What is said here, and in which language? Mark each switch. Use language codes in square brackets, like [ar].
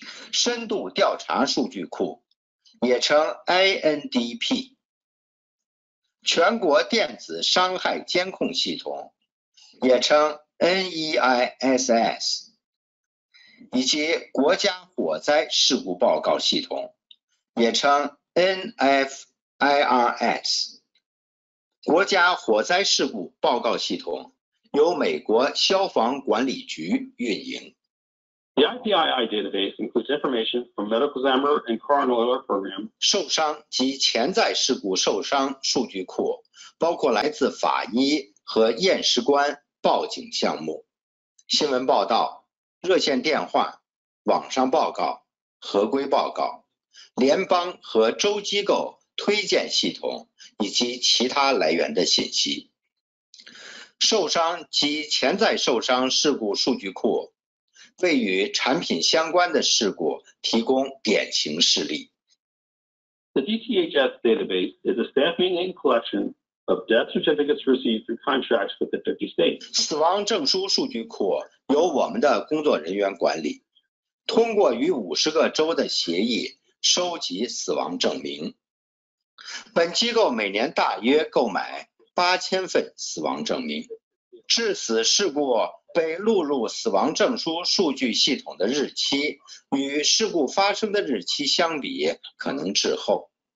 [zh] 深度调查数据库，也称 ANDP， 全国电子伤害监控系统，也称 NEISS， 以及国家火灾事故报告系统，也称 NFIRS。国家火灾事故报告系统由美国消防管理局运营。 [en] The IPII database includes information from medical examiner and coroner alert program. [zh] 受伤及潜在事故受伤数据库包括来自法医和验尸官报警项目、新闻报道、热线电话、网上报告、合规报告、联邦和州机构推荐系统以及其他来源的信息。受伤及潜在受伤事故数据库为与产品相关的事故提供典型事例。 [en] The DTHS database is a staffing and collection of death certificates received through contracts with the 50 states. [zh] 死亡证书数据库由我们的工作人员管理，通过与50个州的协议收集死亡证明。本机构每年大约购买8000份死亡证明。致死事故被录入死亡证书数据系统的日期与事故发生的日期相比可能滞后。